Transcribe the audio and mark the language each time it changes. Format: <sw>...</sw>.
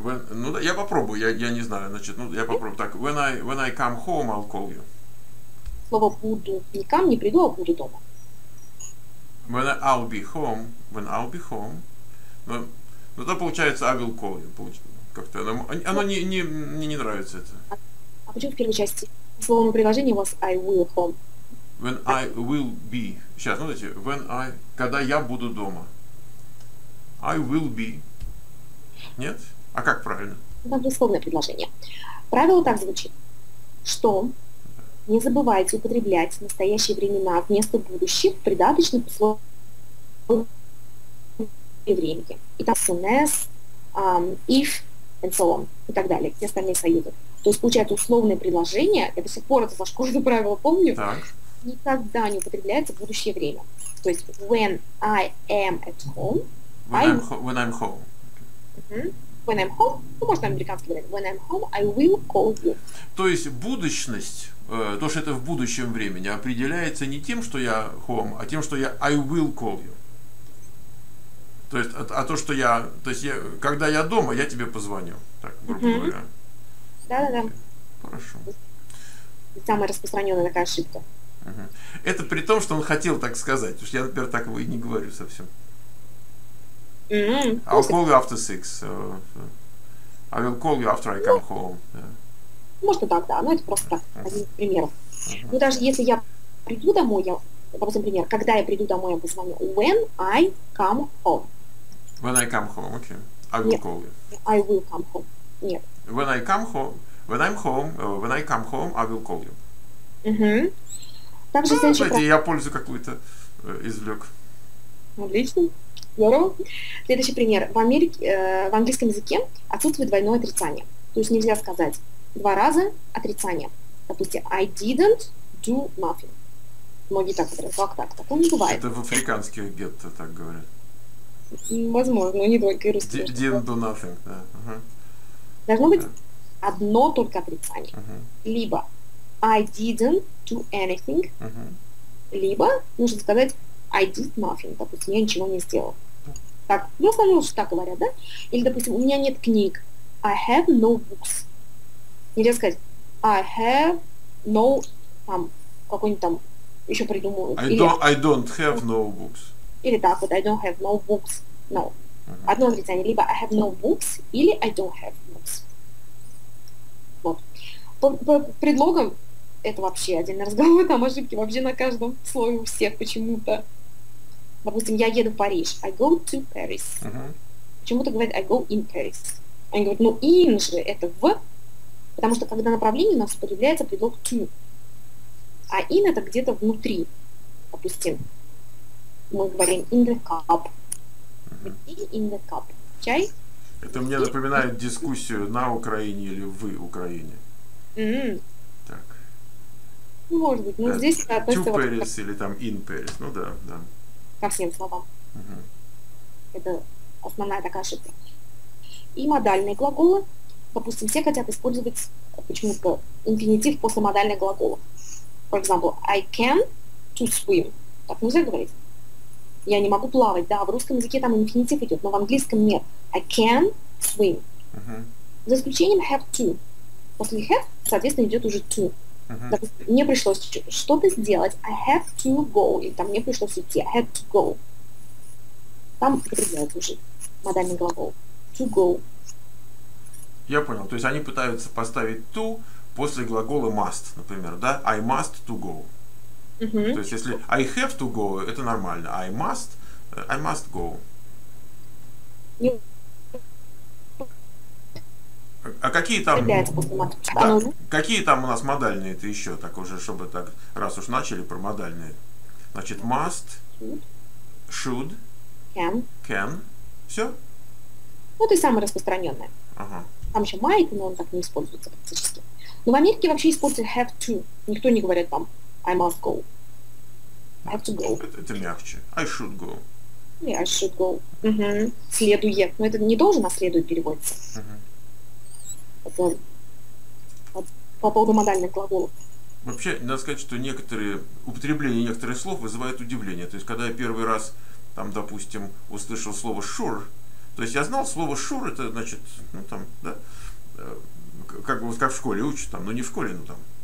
<ru>Ну да, я попробую, я не знаю, значит, ну я попробую.</ru> <en>Так, when I come home, I'll call you.</en> <ru>Слово буду. Не come, не приду, а буду дома.</ru> <en>When I'll be home.</en> <ru>Ну то получается</ru> <en>I will call you.</en> <ru>Как-то оно не нравится это. А почему в первой части? Слово на предложение у вас</ru> <en>I will home. When I will be.</en> <ru>Сейчас, смотрите,</ru> <en>when I.</en> <ru>Когда я буду дома.</ru> <en>I will be.</en> <ru>Нет? А как правильно? Это безусловное предложение. Правило так звучит, что не забывайте употреблять настоящие времена вместо будущих в придаточных условиях и времени. И там «сунес», «if»</ru> <en>and so on,</en> <ru>и так далее, все остальные союзы. То есть получается условное предложение, я до сих пор это за школьное правило помню, так. Никогда не употребляется будущее время.</ru> <en>То есть «when I am at home», «when I'm home». When I'm home,</en> <ru>ну, можно американский говорить,</ru> <en>when I'm home, I will call you.</en> <ru>То есть будущность, то, что это в будущем времени, определяется не тем, что я home, а тем, что я</ru> <en>I will call you.</en> <ru>То есть, когда я дома, я тебе позвоню. Так, грубо говоря. Да-да-да. Хорошо. Самая распространенная такая ошибка. Это при том, что он хотел так сказать, потому что я, например, так его и не говорю совсем.</ru> <en>I'll call you after six. I will call you after I come home. Yeah.</en> <ru>Можно так, да, но это просто один из примеров. Ну, даже если я приду домой, я, допустим, пример, когда я приду домой, я позвоню.</ru> <en>When I come home. When I come home, okay. I will call you. I will come home.</en> <ru>Нет.</ru> <en>When I come home, when I'm home, when I come home, I will call you.</en> <ru>Также, ну, знаете, я пользу какую-то извлек. Отлично. Следующий пример. В Америке, в английском языке отсутствует двойное отрицание. То есть нельзя сказать два раза отрицание. Допустим,</ru> <en>I didn't do nothing.</en> <ru>Многие так говорят, как так? Такого не бывает. Это в африканских гетто так говорят. Возможно, не только и русские.</ru> <en>Didn't do nothing, да.</en> <ru>Должно быть одно только отрицание. Либо</ru> <en>I didn't do anything,</en> <ru>либо нужно сказать</ru> <en>I did nothing,</en> <ru>допустим, я ничего не сделал. Так, ну, в основном, что так говорят, да? Или, допустим, у меня нет книг.</ru> <en>I have no books.</en> <ru>Нельзя сказать</ru> <en>I have no,</en> <ru>там, какой-нибудь там, еще придумывают.</ru> <en>I don't have no books.</en> <ru>Или так вот,</ru> <en>I don't have no books. No. Одно отрицание. Либо I have no books, или I don't have books.</en> <ru>Вот. По предлогам это вообще отдельный разговор, там ошибки вообще на каждом слове у всех почему-то. Допустим, я еду в Париж.</ru> <en>I go to Paris.</en> <ru>Почему-то говорят</ru> <en>I go in Paris.</en> <ru>Они говорят, ну in же, это в. Потому что когда направление, у нас появляется предлог to. А in это где-то внутри. Допустим, мы говорим</ru> <en>in the cup. In the cup.</en> <ru>Чай? Это мне напоминает дискуссию на Украине или в Украине. Так. Может быть, но здесь это относится...</ru> <en>To Paris</en> <ru>или там</ru> <en>in Paris.</en> <ru>Ну да, да. Ко всем словам. Это основная такая ошибка. И модальные глаголы. Допустим, все хотят использовать почему-то инфинитив после модальных глаголов.</ru> <en>For example, I can to swim.</en> <ru>Так нельзя говорить. Я не могу плавать. Да, в русском языке там инфинитив идет, но в английском нет.</ru> <en>I can swim.</en> <ru>За исключением have to. После have, соответственно, идет уже to. Допустим, мне пришлось что-то сделать.</ru> <en>I have to go.</en> <ru>Или там мне пришлось идти.</ru> <en>I have to go.</en> <ru>Там придет уже модальный глагол.</ru> <en>To go.</en> <ru>Я понял. То есть они пытаются поставить to после глагола must, например, да?</ru> <en>I must to go.</en> <ru>То есть если</ru> <en>I have to go,</en> <ru>это нормально.</ru> <en>I must go.</en> <ru>А какие там, да, какие там у нас модальные? Это еще так уже, чтобы так, раз уж начали про модальные. Значит, must, should, can. Все? Ну, это и самое распространенное. Там еще might, но он так не используется практически. Но в Америке вообще используется have to. Никто не говорит вам</ru> <en>I must go. I have to go.</en> <ru>Это мягче.</ru> <en>I should go. Yeah, I should go.</en> <ru>Следуя. Но это не должен, а следует переводится. По поводу модальных глаголов. Вообще, надо сказать, что некоторые употребление некоторых слов вызывает удивление. То есть, когда я первый раз, там, допустим, услышал слово sure, то есть я знал слово sure, это значит, ну там, да, как в школе учат, там, ну не в школе, ну там.</ru>